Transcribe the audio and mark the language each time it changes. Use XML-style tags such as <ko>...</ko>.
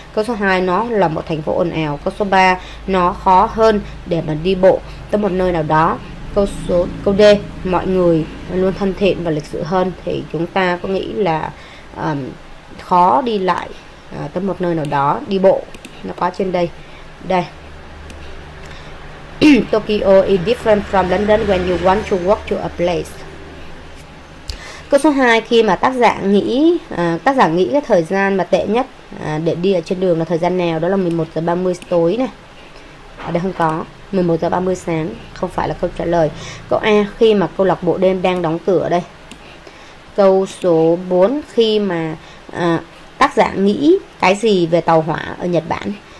<vi>Câu số 2, nó là một thành phố ồn ào. Câu số 3, nó khó hơn để mà đi bộ tới một nơi nào đó. Câu D, mọi người luôn thân thiện và lịch sự hơn. Thì chúng ta có nghĩ là khó đi lại tới một nơi nào đó đi bộ, nó có trên đây. Đây.</vi> <en>Tokyo is different from London when you want to work to a place.</en> <vi>Câu số 2, khi mà tác giả nghĩ cái thời gian mà tệ nhất để đi ở trên đường là thời gian nào, đó là 11:30 tối này. Ở đây không có, 11:30 sáng không phải là câu trả lời. Câu A, khi mà câu lạc bộ đêm đang đóng cửa đây. Câu số 4, khi mà tác giả nghĩ cái gì về tàu hỏa ở Nhật Bản?</vi>